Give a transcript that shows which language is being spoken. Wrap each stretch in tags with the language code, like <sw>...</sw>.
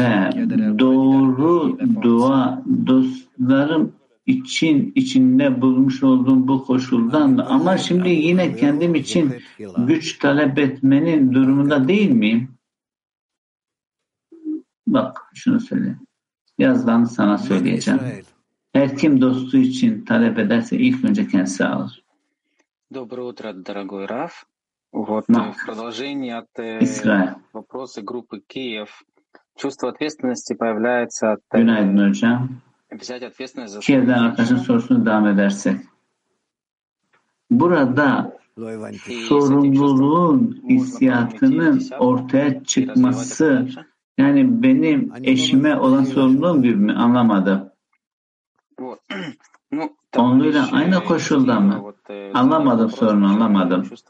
<tr>ve doğru dua dostlarım için içinde bulmuş olduğum bu koşuldan da ama şimdi yine kendim için güç talep etmenin durumunda değil miyim? Bak şunu söyle. Yazdan sana söyleyeceğim. Her kim dostu için talep ederse ilk önce kendisi alır.</tr> <ru>Доброе утро, дорогой Раф. Вот в продолжении от вопроса группы Киев. Чувство ответственности появляется от</ru> <tr>Günaydın hocam.</tr> <ru>Взять ответственность за</ru> <tr>Киев'den arkadaşın sorusunu devam edersek. Burada sorumluluğun hissiyatının ortaya çıkması yani benim eşime olan sorumluluğum gibi mi anlamadım? Onluyla aynı koşulda mı? Anlamadım sorunu, anlamadım.</tr>